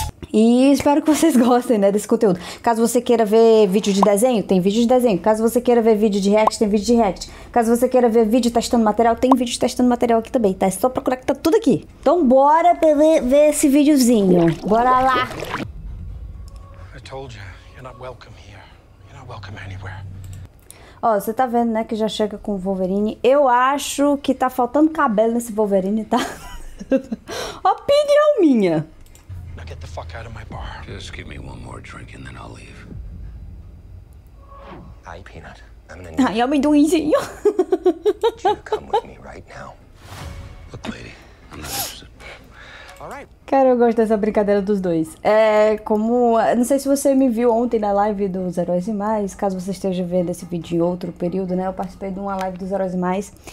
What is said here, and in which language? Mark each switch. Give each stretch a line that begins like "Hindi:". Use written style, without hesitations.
Portuguese: E espero que vocês gostem, né, desse conteúdo. Caso você queira ver vídeo de desenho, tem vídeo de desenho. Caso você queira ver vídeo de react, tem vídeo de react. Caso você queira ver vídeo testando material, tem vídeo testando material aqui também, tá? É só procurar que tá tudo aqui. Então bora ver esse videozinho. Bora lá.
English: I told you, you're not welcome here. You're not welcome anywhere.
Portuguese: Ó, você tá vendo, né, que já chega com o Wolverine. Eu acho que tá faltando cabelo nesse Wolverine, tá? Opinião minha.
English: Get the fuck out of my bar. Just give me one more drink and then I'll leave. Hi, Peanut. I'm the new... Hi, I'm doing easy. You come with me right now. Look, lady, I'm not interested.
Portuguese: Cara, eu gosto dessa brincadeira dos dois. É como... Não sei se você me viu ontem na live dos Heróis e Mais. Caso você esteja vendo esse vídeo em outro período, né? Eu participei de uma live dos Heróis e Mais.